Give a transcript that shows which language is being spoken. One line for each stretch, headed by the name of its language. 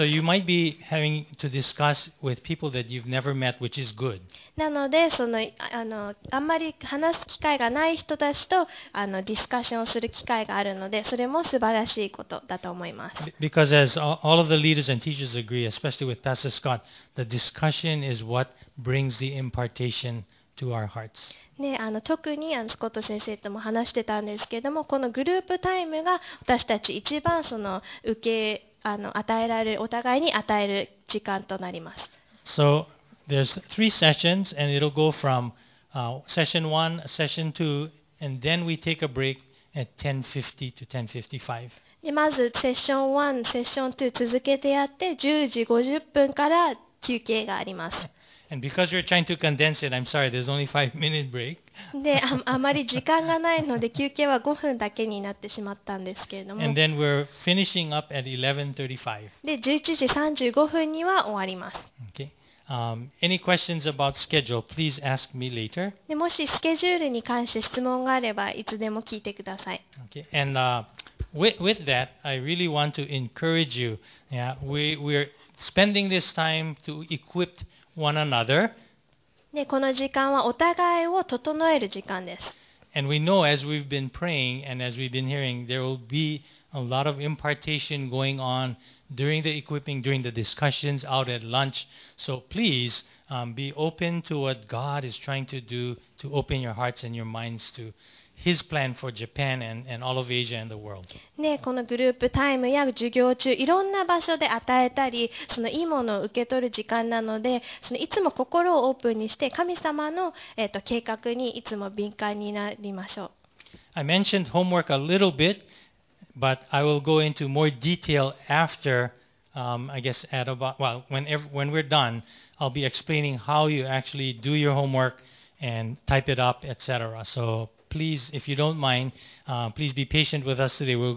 English: And so you might be having to discuss with people that you've never met, which is good.
Japanese: なのでそのあんまり話す機会がない人たちとディスカッションをする機会があるので、それも素晴らしいことだと思います。
English: Because as all of the leaders and teachers agree, especially with Pastor Scott, the discussion is what brings the impartation to our hearts.
Japanese: ね、特にスコット先生とも話してたんですけれども、このグループタイムが私たち一番その受け与えられるお互いに与える時間となります。
English: So there's three sessions and it'll go from session one, session two, and then we take a break at 10:50 to 10:55.
Japanese: でまずセッション1、セッション2続けてやって10時50分から休憩があります。
English: And because we're trying to condense it, I'm sorry, there's only 5-minute break.
Japanese: で、あまり時間がないので休憩は5分だけになってしまったんですけれども。
English: And then we're finishing up at 11:35.
Japanese: で、11時35分には終わります。
English: Okay. Any questions about schedule, please ask me later.
Japanese: で、もしスケジュールに関して質問があればいつでも聞いてください。
English: Okay. And with that, I really want to encourage you. Yeah, we're spending this time to equip one another.
Japanese: で、この時間はお互いを整える時間です。
English: And we know as we've been praying and as we've been hearing, there will be a lot of impartation going on during the equipping, during the discussions out at lunch. So please, be open to what God is trying to do to open your hearts and your minds to his plan for Japan and all of Asia and the world.
Japanese: ね、このグループタイムや授業中、いろんな場所で与えたり、そのいいものを受け取る時間なので、そのいつも心をオープンにして、神様の、計画にいつも敏感になりましょう。
English: I mentioned homework a little bit, but I will go into more detail after, I guess at about, well, when we're done, I'll be explaining how you actually do your homework and type it up, etc. So please, if you don't mind, please be patient with us today.